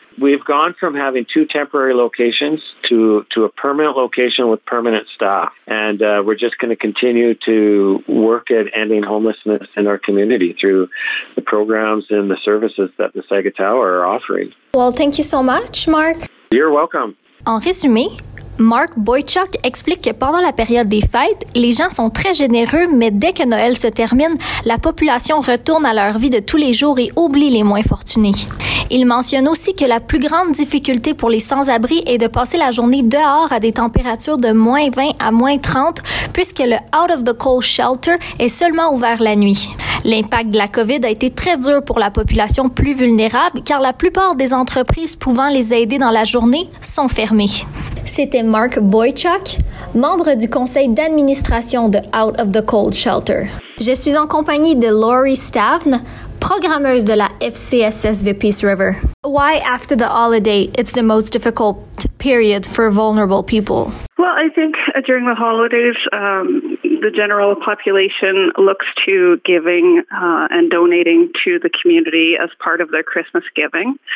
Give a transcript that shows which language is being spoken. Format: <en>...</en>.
<en>We've gone from having two temporary locations to a permanent location with permanent staff. And we're just going to continue to work at ending homelessness in our community through the programs and the services that the Sagatawa are offering. Well, thank you so much, Mark. You're welcome.</en> <fr>En résumé, Mark Boychuk explique que pendant la période des fêtes, les gens sont très généreux, mais dès que Noël se termine, la population retourne à leur vie de tous les jours et oublie les moins fortunés. Il mentionne aussi que la plus grande difficulté pour les sans-abri est de passer la journée dehors à des températures de moins 20 à moins 30, puisque le Out of the Cold Shelter est seulement ouvert la nuit. L'impact de la COVID a été très dur pour la population plus vulnérable, car la plupart des entreprises pouvant les aider dans la journée sont fermées. C'était Mark Boychuk, membre du conseil d'administration de Out of the Cold Shelter. Je suis en compagnie de Laurie Stavne, programmeuse de la FCSS de Peace River.</fr> <en>Why after the holiday it's the most difficult period for vulnerable people? Well, I think during the holidays, the general population looks to giving and donating to the community as part of their Christmas giving.</en>